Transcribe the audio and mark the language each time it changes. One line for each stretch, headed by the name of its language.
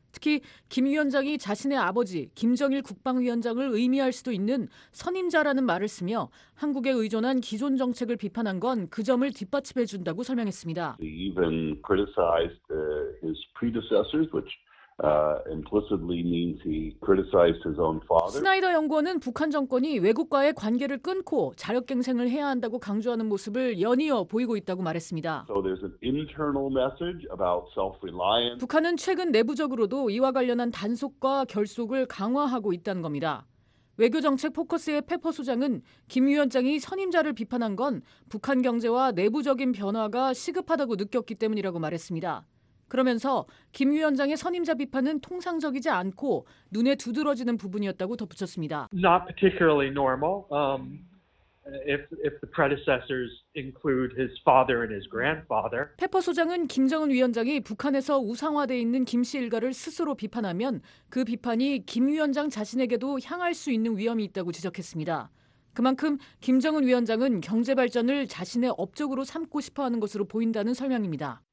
Korean: 특히 김 위원장이 자신의 아버지 김정일 국방위원장을 의미할 수도 있는 선임자라는 말을 쓰며 한국에 의존한 기존 정책을 비판한 건 그 점을 뒷받침해 준다고 설명했습니다.
English: Even criticized his predecessors, which. Implicitly means he criticized his own father.
Korean: 스나이더 연구원은 북한 정권이 외국과의 관계를 끊고 자력갱생을 해야 한다고 강조하는 모습을 연이어 보이고 있다고 말했습니다.
English: So there's an internal message about self-reliance.
Korean: 북한은 최근 내부적으로도 이와 관련한 단속과 결속을 강화하고 있다는 겁니다. 외교정책 포커스의 페퍼 소장은 김 위원장이 선임자를 비판한 건 북한 경제와 내부적인 변화가 시급하다고 느꼈기 때문이라고 말했습니다. 그러면서 김 위원장의 선임자 비판은 통상적이지 않고 눈에 두드러지는 부분이었다고 덧붙였습니다.
English: Not particularly normal. If the predecessors include his father and his grandfather.
Korean: 페퍼 소장은 김정은 위원장이 북한에서 우상화돼 있는 김 씨 일가를 스스로 비판하면 그 비판이 김 위원장 자신에게도 향할 수 있는 위험이 있다고 지적했습니다. 그만큼 김정은 위원장은 경제 발전을 자신의 업적으로 삼고 싶어하는 것으로 보인다는 설명입니다.